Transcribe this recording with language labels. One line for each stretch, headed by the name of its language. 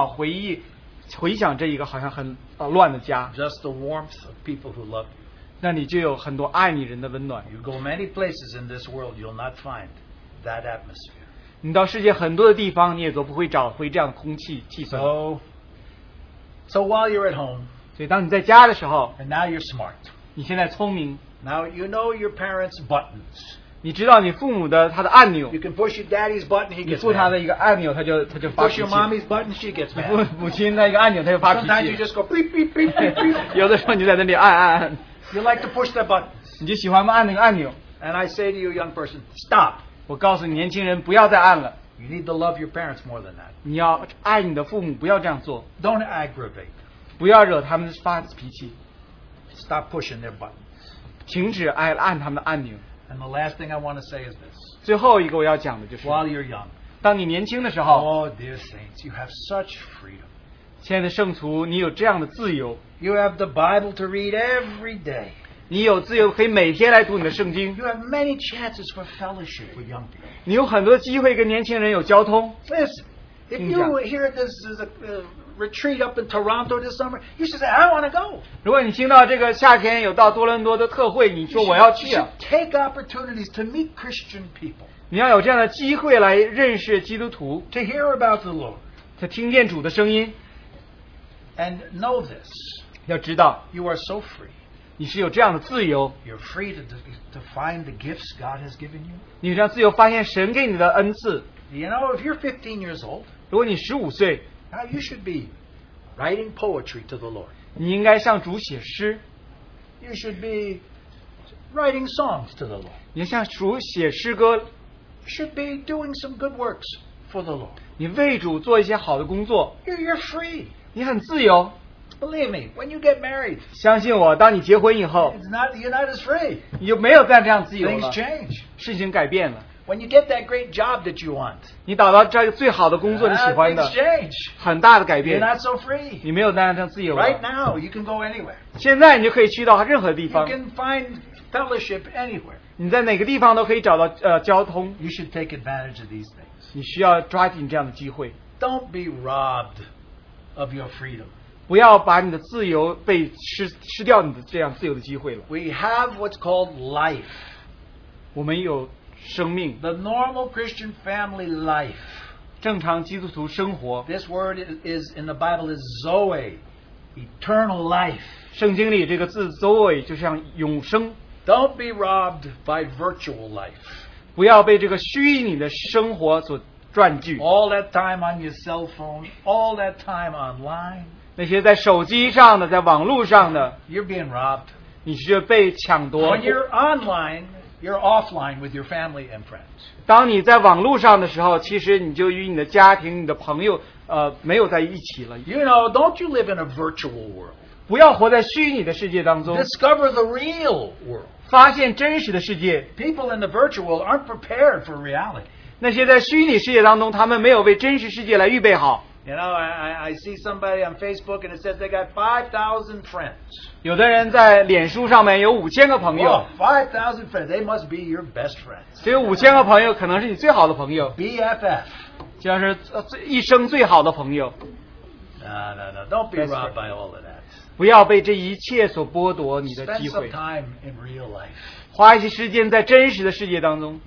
Chinese: 你会向往回忆回想这一个好像很乱的家。
English: Just the warmth of people who love you.
Chinese: 那你就有很多爱你人的温暖。
English: You go many places in this world, you'll not find that atmosphere.
Chinese: 你到世界很多的地方, 你也都不会找回这样的空气气氛。
English: So while you're at home,
Chinese: 所以当你在家的时候,
English: and now you're smart,
Chinese: 你现在聪明,
English: now you know your parents' buttons.
Chinese: 你知道你父母的他的按钮。
English: You can push your daddy's button, he gets mad.
Chinese: 你付他的一个按钮, 他就发脾气。
English: Push your mommy's button, she gets mad.
Chinese: 你付母亲的一个按钮, 他就发脾气。
English: Sometimes you just go beep beep beep beep beep.
Chinese: 有的时候你在那里按按按。
English: You like to push that button.
Chinese: 你就喜欢按那个按钮。
English: And I say to you, young person, stop.
Chinese: 我告诉你年轻人不要再按了。
English: You need to love your parents more than that.
Chinese: 你要爱你的父母不要这样做。
English: Don't aggravate.
Chinese: 不要惹他们发脾气。
English: Stop pushing their button.
Chinese: 停止按他们的按钮。
English: And the last thing I want to say is this.
Chinese: 最后一个我要讲的就是,
English: while you're young,
Chinese: 当你年轻的时候,
English: oh dear saints, you have such freedom.
Chinese: 亲爱的圣徒, 你有这样的自由。
English: You have the Bible to read every day.
Chinese: 你有自由可以每天来读你的圣经。
English: You have many chances for fellowship with young people.
Chinese: 你有很多机会跟年轻人有交通。
English: Listen, if you were here at this as a retreat up in Toronto this summer, you should say, I want to go.
Chinese: 如果你听到这个夏天有到多伦多的特会, 你说我要去啊。
English: You should take opportunities to meet Christian people.
Chinese: 你要有这样的机会来认识基督徒。
English: To hear about the Lord.
Chinese: 他听见主的声音。
English: And know this.
Chinese: 要知道,
English: you are so free.
Chinese: 你是有这样的自由,
English: you're free to find the gifts God has given you. You know, if you're 15 years old,
Chinese: 如果你15岁,
English: now you should be writing poetry to the Lord.
Chinese: 你应该向主写诗,
English: you should be writing songs to the Lord.
Chinese: 你向主写诗歌,
English: you should be doing some good works for the Lord.
Chinese: 你为主做一些好的工作,
English: you're free.
Chinese: 你很自由,
English: believe me, when you get married,
Chinese: 相信我, 当你结婚以后,
English: it's not, you're not as free.
Chinese: 你就没有再这样自由了,
English: things change.
Chinese: 事情改变了,
English: when you get that great job that you want,
Chinese: 你找到这最好的工作, 你喜欢的,
English: things change.
Chinese: 很大的改变,
English: you're not so free.
Chinese: 你没有再这样自由了,
English: right now, you can go anywhere.
Chinese: 现在你就可以去到任何地方,
English: you can find fellowship anywhere.
Chinese: 你在哪个地方都可以找到, 交通,
English: you should take advantage of these things.
Chinese: 你需要抓紧这样的机会,
English: don't be robbed of your freedom.
Chinese: 不要把你的自由被吃掉你的这样自由的机会了。
English: We have what's called life.
Chinese: 我们有生命。
English: The normal Christian family life.
Chinese: 正常基督徒生活。
English: This word is in the Bible is Zoe, eternal life.
Chinese: 圣经里这个字 Zoe 就像永生。
English: Don't be robbed by virtual life.
Chinese: 不要被这个虚拟的生活所占据。
English: All that time on your cell phone, all that time online.
Chinese: 那些在手机上的, 在网路上的,
English: you're being robbed.
Chinese: 你是被抢夺,
English: when you're online, you're offline with your family and friends.
Chinese: 当你在网路上的时候, 其实你就与你的家庭, 你的朋友, 没有在一起了。
English: You know, don't you live in a virtual world.
Chinese: 不要活在虚拟的世界当中。
English: Discover the real world.
Chinese: 发现真实的世界。
English: People in the virtual aren't prepared for reality.
Chinese: 那些在虚拟世界当中, 他们没有为真实世界来预备好。
English: You know, I see somebody on Facebook and it says they got 5,000 friends.
Chinese: 有的人在脸书上面有5,000个朋友。
English: Oh, 5,000 friends, they must be your best friends.
Chinese: 这5,000个朋友可能是你最好的朋友。
English: BFF.
Chinese: 就是一生最好的朋友。
English: No, don't be robbed by all of that.
Chinese: 不要被这一切所剥夺你的机会。
English: Spend some time in real life.
Chinese: 花一些时间在真实的世界当中。